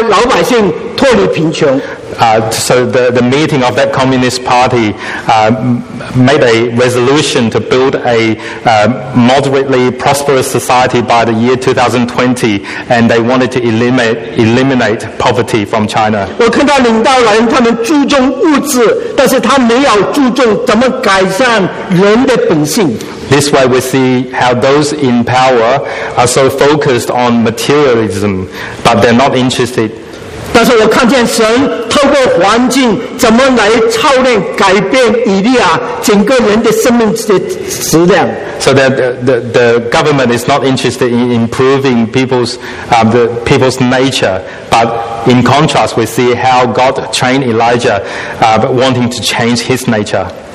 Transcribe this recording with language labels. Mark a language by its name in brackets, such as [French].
[Chinese] 他们宣布在2020年要全面将城小康社会，要国家老百姓脱离贫穷。 [English] So the meeting of that Communist Party made a resolution to build a moderately prosperous society by the year 2020, and they wanted to eliminate poverty from China. [Chinese] 我看到领导人他们注重物质，但是他没有注重怎么改善人的本性。 [English] This way we see how those in power are so focused on materialism, but they're not interested. [Chinese] 但是我看见神透过环境怎么来操练改变以利亚整个人的生命质量。 [English] So that the government is not interested in improving people's nature, but in contrast we see how God trained Elijah but wanting to change his nature.